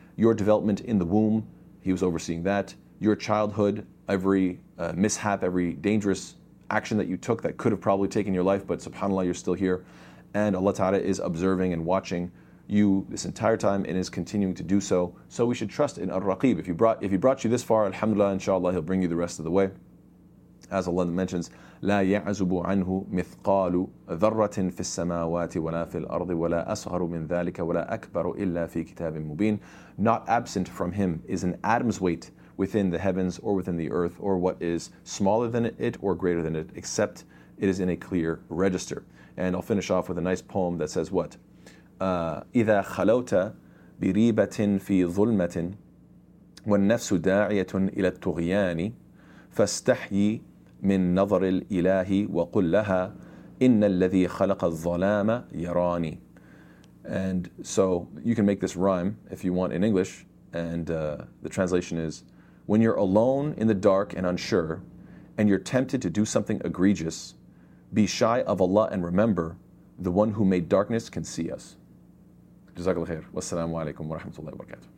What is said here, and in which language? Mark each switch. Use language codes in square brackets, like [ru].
[en] Your development in the womb, He was overseeing that. Your childhood, every mishap, every dangerous action that you took that could have probably taken your life, but subhanAllah, you're still here. And Allah Ta'ala is observing and watching you this entire time and is continuing to do so. So we should trust in Al-Raqeeb. If he brought you this far, alhamdulillah, inshallah, He'll bring you the rest of the way. As Allah mentions, [ar] لا يعزب عنه مثقال ذرة في السماوات ولا في الأرض ولا أصغر من ذلك ولا أكبر إلا في كتاب مبين. [en] Not absent from Him is an atom's weight within the heavens or within the earth or what is smaller than it or greater than it, except it is in a clear register. And I'll finish off with a nice poem that says what? [ar] إذا خلوت بريبة في ظلمة والنفس داعية إلى الطغيان فاستحي من نظر الإله وقل لها إن الذي خلق الظلام يراني. [en] And so you can make this rhyme if you want in English, and the translation is, when you're alone in the dark and unsure and you're tempted to do something egregious, be shy of Allah and remember the one who made darkness can see us. Jazakallah khair. Wassalamu alaikum wa rahmatullahi wa barakatuh.